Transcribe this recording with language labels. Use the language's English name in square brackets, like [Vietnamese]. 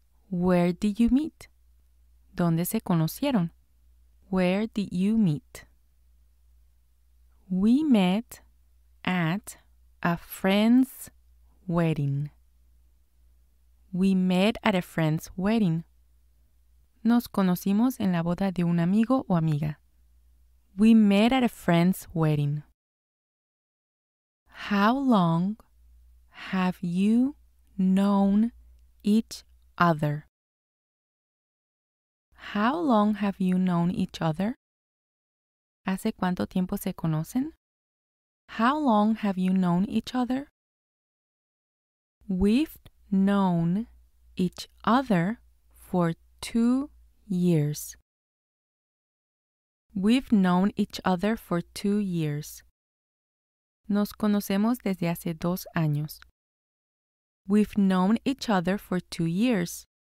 [English] Where did you meet? [Spanish] ¿Dónde se conocieron? [English] Where did you meet? We met at a friend's wedding. We met at a friend's wedding. [Spanish] Nos conocimos en la boda de un amigo o amiga. [English] We met at a friend's wedding. How long have you known each other? How long have you known each other? [Spanish] ¿Hace cuánto tiempo se conocen? [English] How long have you known each other? We've known each other for 2 years. We've known each other for 2 years. [Spanish] Nos conocemos desde hace 2 años. [English] We've known each other for 2 years.